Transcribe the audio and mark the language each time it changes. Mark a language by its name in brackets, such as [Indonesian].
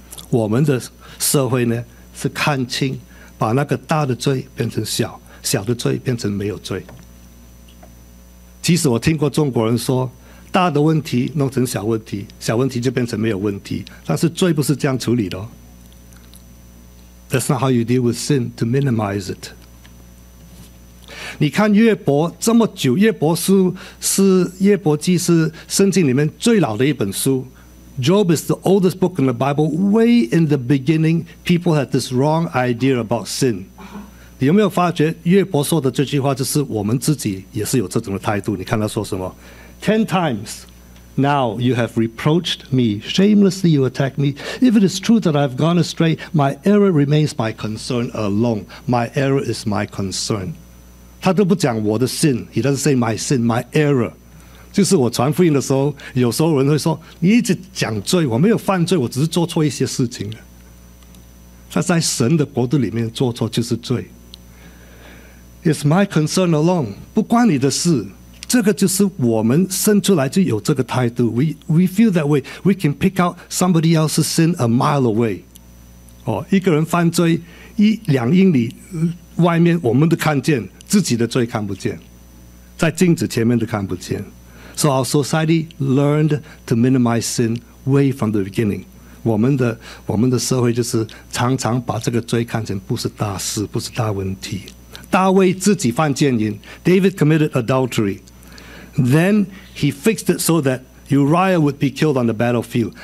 [Chinese] 我们的社会呢，是看清，把那个大的罪变成小，小的罪变成没有罪。其实我听过中国人说，大的问题弄成小问题，小问题就变成没有问题，但是罪不是这样处理的。 [English] That's not how you deal with sin, to minimize it. [Chinese] 你看约伯这么久，约伯书是约伯记是圣经里面最老的一本书。 [English] Job is the oldest book in the Bible. Way in the beginning, people had this wrong idea about sin. [Chinese] 你有没有发觉约伯说的这句话，就是我们自己也是有这种的态度。你看他说什么 [English] ？10 times now you have reproached me. Shamelessly you attack me. If it is true that I've gone astray, my error remains my concern alone. My error is my concern. [Chinese] 他都不讲我的 [English] sin. He doesn't say my sin, my error. [Chinese] 就是我传福音的时候，有时候人会说，你一直讲罪，我没有犯罪，我只是做错一些事情了。但在神的国度里面，做错就是罪。 [English] It's my concern alone， [Chinese] 不关你的事。这个就是我们生出来就有这个态度。 [English] We feel that way. We can pick out somebody else's sin a mile away。 [Chinese] 哦，一个人犯罪一两英里外面，我们都看见，自己的罪看不见，在镜子前面都看不见。 [English] So our society learned to minimize sin way from the beginning. [Chinese] 我们的社会就是常常把这个罪看成不是大事，不是大问题。大卫自己犯奸淫， [English] David committed adultery. Then he fixed it so that Uriah would be killed on the battlefield.